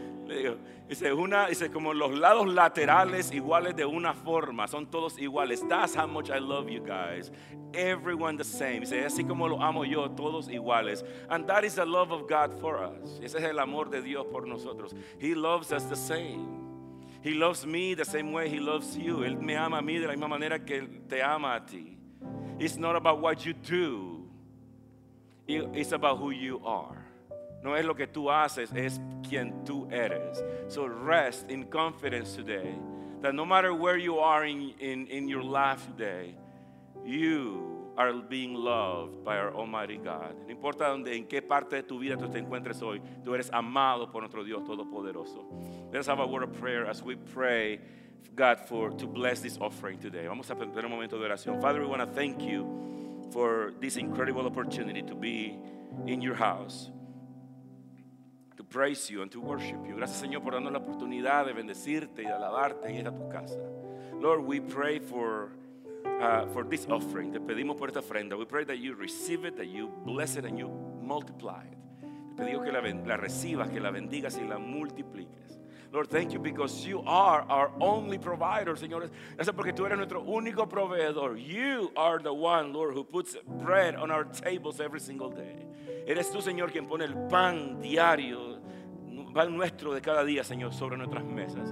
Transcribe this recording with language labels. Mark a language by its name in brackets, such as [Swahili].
[Spanish] Dice, como los lados laterales iguales de una forma, son todos iguales. [English] That's how much I love you guys. Everyone the same. [Spanish] Dice, así como lo amo yo, todos iguales. [English] And that is the love of God for us. [Spanish] Ese es el amor de Dios por nosotros. [English] He loves us the same. He loves me the same way he loves you. [Spanish] Él me ama a mí de la misma manera que te ama a ti. [English] It's not about what you do. It's about who you are. [Spanish] No es lo que tú haces, es quien tú eres. [English] So rest in confidence today that no matter where you are in your life today, you are being loved by our Almighty God. [Spanish] No importa donde, en qué parte de tu vida tú te encuentres hoy, tú eres amado por nuestro Dios Todopoderoso. [English] Let's have a word of prayer as we pray God to bless this offering today. [Spanish] Vamos a tener un momento de oración. [English] Father, we want to thank you for this incredible opportunity to be in your house. To praise you and to worship you. [Spanish] Gracias, Señor, por darnos la oportunidad de bendecirte y de alabarte en esta tu casa. [English] Lord, we pray for this offering. [Spanish] Te pedimos por esta ofrenda. [English] We pray that you receive it, that you bless it, and you multiply it. [Spanish] Te pedimos que la recibas, que la bendigas y la multipliques. [English] Lord, thank you because you are our only provider, Señor. [Spanish] Gracias porque tú eres nuestro único proveedor. [English] You are the one, Lord, who puts bread on our tables every single day. [Spanish] Eres tú, Señor, quien pone el pan diario, pan nuestro de cada día, Señor, sobre nuestras mesas.